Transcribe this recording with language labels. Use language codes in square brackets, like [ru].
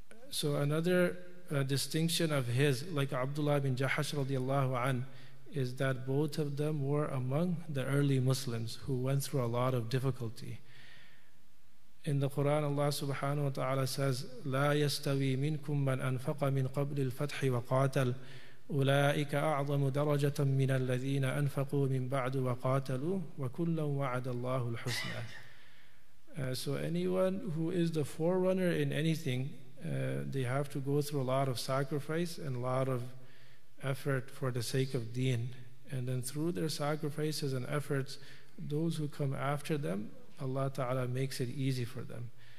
[en] So another distinction of his, like Abdullah bin Jahash radiallahu an, is that both of them were among the early Muslims who went through a lot of difficulty. [ar] In the Quran, Allah subhanahu wa ta'ala says, لا يستوي منكم من أنفق من قبل الفتح وقاتل أولئك أعظم درجة من الذين أنفقوا من بعد وقاتلوا وكلا وعد الله الحسنى. [en] So anyone who is the forerunner in anything, they have to go through a lot of sacrifice and a lot of effort for the sake of deen. And then through their sacrifices and efforts, those who come after them, Allah Ta'ala makes it easy for them.